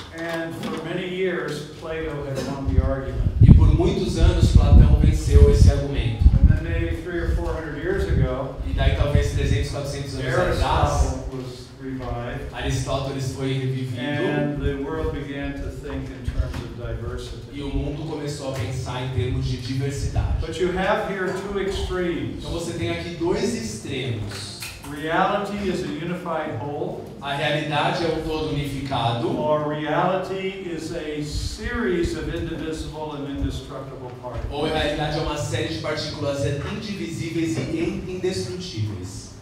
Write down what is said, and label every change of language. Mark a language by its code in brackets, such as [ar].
[en] And for many years Plato had won the argument. [pt] E por muitos anos Platão venceu esse argumento. [en] Maybe 300 or 400 years ago, [pt] e daí talvez 300, 400 anos atrás, Aristóteles foi revivido, [en] and the world began to think in terms of diversity. [pt] E o mundo começou a pensar em termos de diversidade. [en] But you have here two extremes. [pt] Então você tem aqui dois extremos. [en] Reality is a unified whole. [pt] A realidade é um todo unificado. [en] Or reality is a series of indivisible and indestructible particles. [pt] Ou a realidade é uma série de partículas indivisíveis e indestrutíveis.